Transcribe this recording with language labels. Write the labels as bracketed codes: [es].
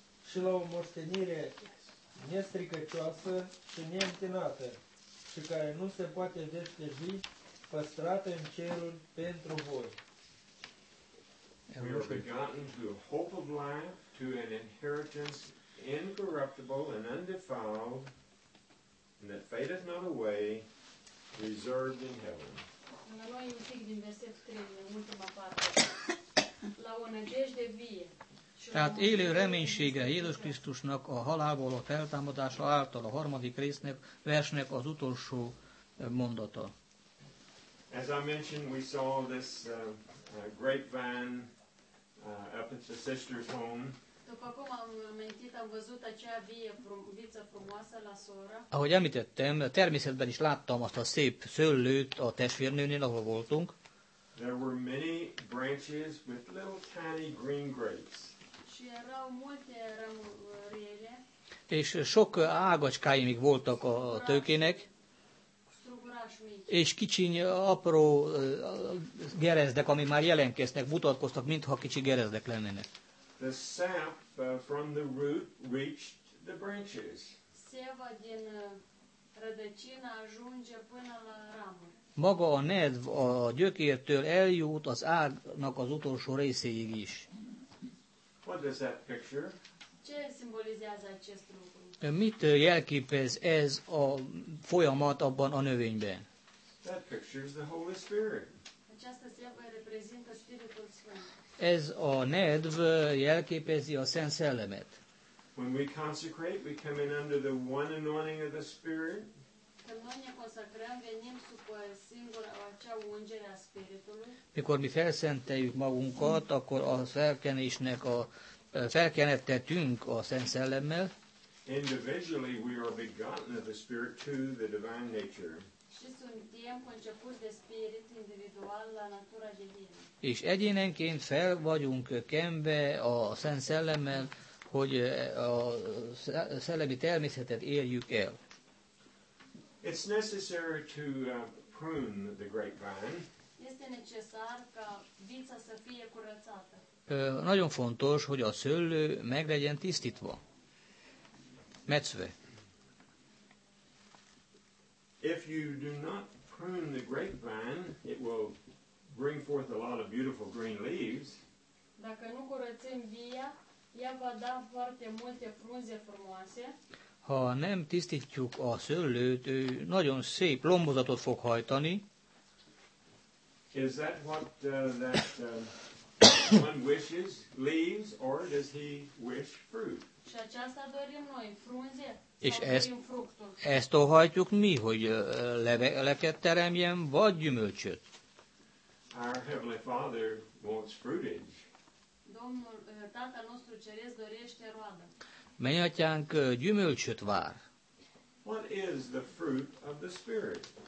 [ro] Și la o moștenire nestricăcioasă și neîntinată și care nu se poate veșteji păstrată în ceruri pentru voi. [en] We are begotten to a hope of life, to an inheritance incorruptible and undefiled, and that fadeth not away, reserved in heaven. [ro] La noi un pic din verset 3, în ultima parte. La o nădejde vie. [hu] Tehát élő reménységre Jézus Krisztusnak a halálból a feltámadása által a harmadik résznek, versnek az utolsó mondata. [en] As I mentioned, we saw this grapevine up at the sister's home. [ro] După cum am amintit, am văzut acea vie, viță frumoasă la soră. [hu] Ahogy említettem, természetben is láttam azt a szép szőlőt a testvérnőnél, ahol voltunk. [en] There were many branches with little tiny green grapes. [ro] Și erau multe rămurele. [hu] És sok ágacskáimig voltak a tőkének. [ro] Strugurat. [hu] és kicsiny, apró gerezdek, ami már jelenkeznek, mutatkoztak, mintha kicsi gerezdek lennének. [en] The sap from the root reached the branches. [ro] Szeva din rădăcina ajunge până la ramuri. [hu] Maga a nedv a gyökértől eljut az ágnak az utolsó részéig is. [en] What does that picture? [ro] Ce simbolizează acest lucru? [hu] Mit jelképez ez a folyamat abban a növényben? [en] That picture is the Holy Spirit. [ro] Aceasta szeva reprezintă Spiritul Sfânt. [hu] Ez a nedv jelképezi a Szent Szellemet. [en] When we consecrate, we come in under the one anointing of the Spirit. [ro] Când noi ne consacrăm, venim sub singura acea ungere a Spiritului. [hu] Mikor mi felszenteljük magunkat, akkor a felkenésnek a felkenettetünk a Szent Szellemmel. [en] Individually we are begotten of the Spirit to the divine nature. [ro] Și suntem conceput de spirit individual la natura divină. [hu] És egyénenként fel vagyunk kenve a Szent Szellemmel, hogy a szellemi természetet érjük el. [en] It's necessary to prune the grapevine. [ro] Este necesar ca vița să fie curățată. [hu] Nagyon fontos, hogy a szőlő meg legyen tisztítva. Metszve. [en] If you do not prune the grapevine, it will bring forth a lot of beautiful green leaves. [ro] Dacă nu curățim via, ea va da foarte multe frunze frumoase. [hu] Ha nem tisztítjuk a szőlőt, ő nagyon szép lombozatot fog hajtani. [en] Is that what that one wishes, leaves, or does he wish fruit? [ro] Și aceasta dorim noi, frunze. [hu] És ezt óhajtjuk mi, hogy leveleket teremjen, vagy gyümölcsöt. [en] Our Heavenly Father wants fruitage. [ro] Domnul, Tatăl nostru Ceresc dorește roadă. [hu] Mennyatyánk gyümölcsöt vár. [en] What is the fruit of the Spirit?